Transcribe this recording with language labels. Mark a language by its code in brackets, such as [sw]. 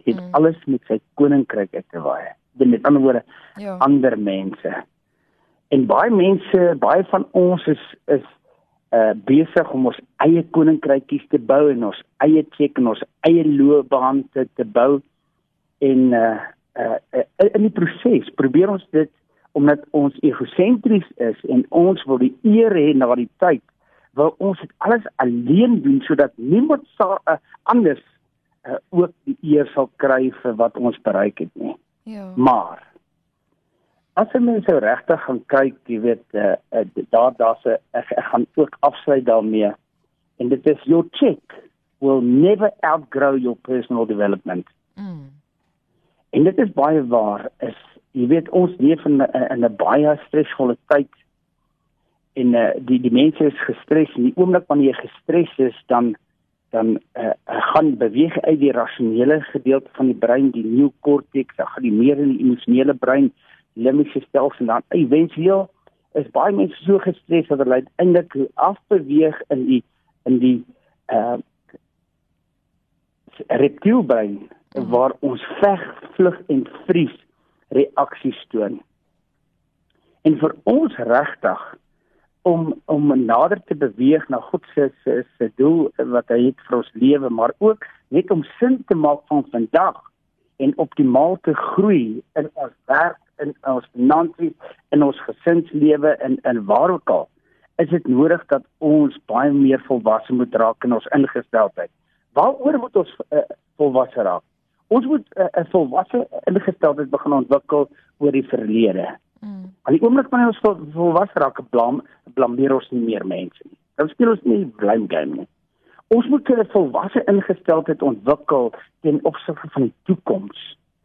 [af] Het alles met sy koninkryk uit te waai. Met ander woorde, ander mense. En baie mense, baie van ons is besig om ons eie koninkrykies te bou en ons eie kerk en ons eie loopbaan te bou en in die proses probeer ons dit omdat ons egosentries is en ons wil die eer hê na die tyd waar ons dit alles alleen doen sodat niemand anders ook die eer sal kry vir wat ons bereik het nie. Ja. Maar as jy mense regtig gaan kyk, jy weet ek gaan ook afsluit daarmee. En dit is [en] your check will never outgrow your personal development. [af] En dit is baie waar is, jy weet ons leef in 'n baie stresvolle tyd. En die mense is gestres en die oomblik wanneer jy gestres is, dan gaan beweeg uit die rasionele gedeelte van die brein, die neokorteks, dan gaan die meer in die emosionele brein, limbiese stelsel, en dan eventueel is baie mense so gestres dat hulle uiteindelik afbeweeg in die reptielbrein waar ons veg, vlug en vries reaksies toon. En vir ons regtig om nader te beweeg na God se doel wat hy het vir ons lewe, maar ook net om sin te maak van vandag en optimaal te groei in ons werk, in ons finansies, in ons gesinslewe en in waar ook al, is dit nodig dat ons baie meer volwasse moet raak in ons ingesteldheid. Waaroor moet ons volwasse raak? Ons moet 'n volwasse ingesteldheid begin ontwikkel oor die verlede. Al die oomblik wanneer ons volwasse raak, blameer ons nie meer mense nie. Dan speel ons nie blame game nie. Ons moet 'n volwasse ingesteldheid ontwikkel ten opsigte van die toekoms.